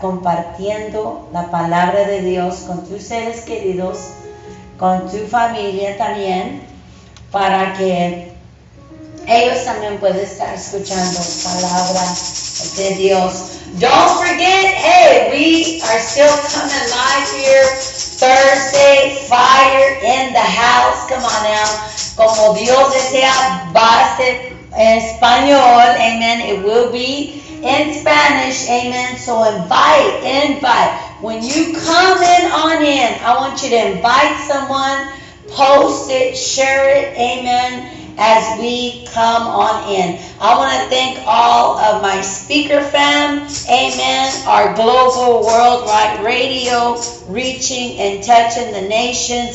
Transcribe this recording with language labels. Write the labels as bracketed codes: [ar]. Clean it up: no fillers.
[es] Compartiendo la palabra de Dios con tus seres queridos, con tu familia también, para que ellos también puedan estar escuchando palabra de Dios. [en] Don't forget, hey, we are still coming live here Thursday, fire in the house. Come on now. [es] Como Dios desea, va a ser en español, amen. [en] It will be in Spanish, amen. So invite. When you come in, I want you to invite someone. Post it, share it, amen, as we come on in. I want to thank all of my speaker fam, amen, our global worldwide radio reaching and touching the nations.